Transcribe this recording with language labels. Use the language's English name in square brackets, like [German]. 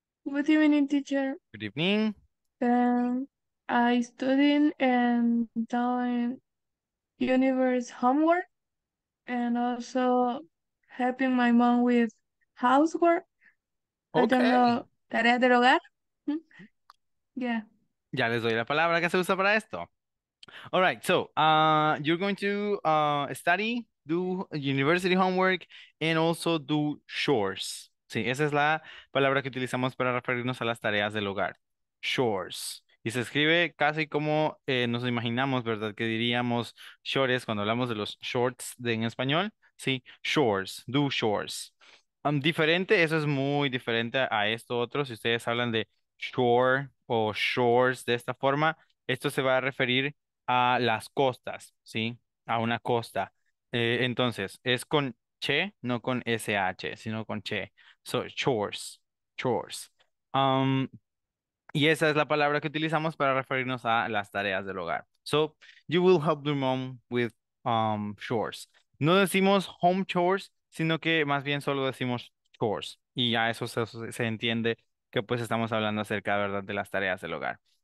[English] Good evening, teacher. Good evening. I studying and doing universe homework, and also helping my mom with housework. Okay. I don't know, [Spanish] tarea del hogar. [English] Yeah. [Spanish] Ya les doy la palabra que se usa para esto. [English] All right, so you're going to study, do university homework, and also do chores. [Spanish] Sí, esa es la palabra que utilizamos para referirnos a las tareas del hogar. Chores. Y se escribe casi como nos imaginamos, ¿verdad? Que diríamos chores cuando hablamos de los shorts de, en español. Sí, chores, do chores. Diferente, eso es muy diferente a esto otro. Si ustedes hablan de shore o shores de esta forma, esto se va a referir a las costas, ¿sí? A una costa. Entonces, es con che, no con sh, sino con che. [English] So, chores, chores. [Spanish] Y esa es la palabra que utilizamos para referirnos a las tareas del hogar. [English] So, you will help your mom with chores. [Spanish] No decimos home chores, sino que más bien solo decimos chores. Y ya eso se entiende que pues estamos hablando acerca, ¿verdad?, de las tareas del hogar.